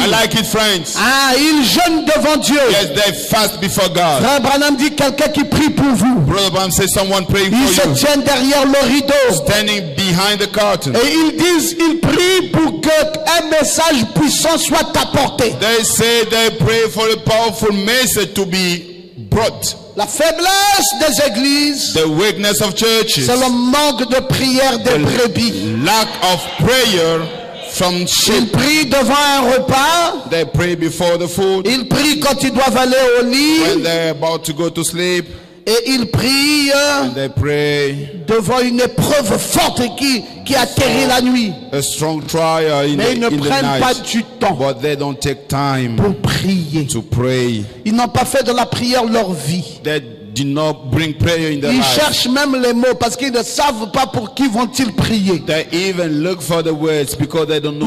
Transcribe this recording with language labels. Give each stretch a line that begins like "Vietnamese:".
English: I like it, friends.
French: Ah, ils jeûnent devant Dieu.
English: Yes, they fast before God.
French: Frère Branham dit quelqu'un qui prie pour vous.
English: Brother Branham says someone praying for you.
French: Ils se tiennent derrière le rideau.
English: Standing behind the curtain.
French: Et ils disent, ils prient pour que un message puissant soit apporté.
English: They say they pray for a powerful message to be brought.
French: La faiblesse des églises.
English: The weakness of churches.
French: C'est le manque de prière des brebis.
English: Lack of prayer.
French: Ils prient devant un repas.
English: They pray before the food.
French: Ils prient quand ils doivent aller au lit.
English: When they're about to go to sleep.
French: Et ils prient.
English: And they pray
French: devant une épreuve forte qui atterrit la nuit.
English: A strong trial in
French: mais ils ne prennent pas du temps.
English: But they don't take time
French: pour prier.
English: To pray.
French: Ils n'ont pas fait de la prière leur vie.
English: Did not bring prayer in their
French: ils cherchent
English: life.
French: Même les mots parce qu'ils ne savent pas pour qui vont-ils prier.
English: They even look for the words because they don't know.